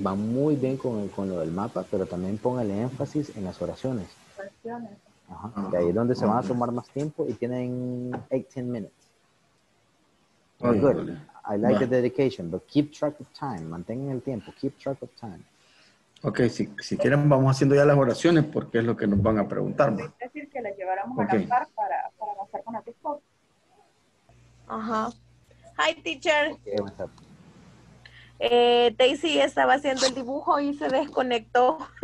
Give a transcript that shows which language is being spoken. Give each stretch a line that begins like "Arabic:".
Spanish: Va muy bien con lo del mapa, pero también póngale énfasis en las oraciones. De ahí es donde se van a tomar más tiempo y tienen
English: 18 minutes. Very good. I like the dedication, but keep track of time.
Spanish: Mantengan el tiempo.
English: Keep track of time.
Spanish: Ok, si quieren vamos haciendo ya las oraciones porque es lo que nos van a preguntar. ¿Es decir que las lleváramos a la par para avanzar con el tiempo?
English: Ajá. Hi, teacher. Okay, what's up?
Spanish: Daisy estaba haciendo el dibujo y se desconectó.